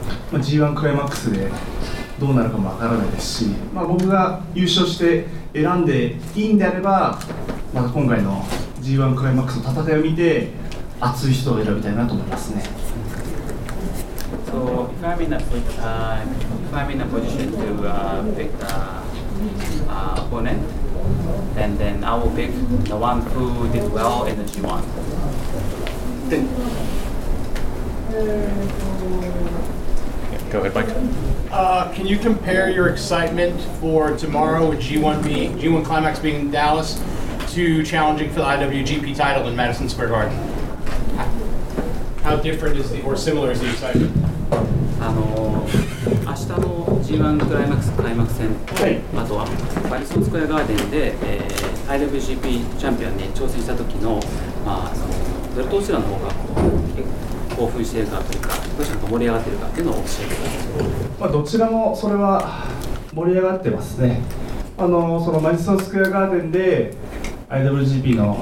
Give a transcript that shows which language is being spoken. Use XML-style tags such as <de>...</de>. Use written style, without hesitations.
<ja>G1 クライマックスでどうなるかもわからないですし、僕が優勝して選んでいいんであれば、今回の G1 クライマックスの戦いを見て熱い人を選びたいなと思いますね。</ja> <en>So if I'm in a position to pick the opponent, then I will pick the one who did well in the G1. Yeah, go ahead, Mike. Can you compare your excitement for tomorrow with G1 Climax being in Dallas to challenging for the IWGP title in Madison Square Garden? How different is or similar is the excitement?</en> <ja>明日の G1 クライマックス戦、あとはマディソンスクエアガーデンでIWGP チャンピオンに挑戦した時の、どちらの方が興奮しているかというか、どちらの盛り上がっているかというのを教えてください。どちらもそれは盛り上がってますね。マディソンスクエアガーデンでIWGP</ja>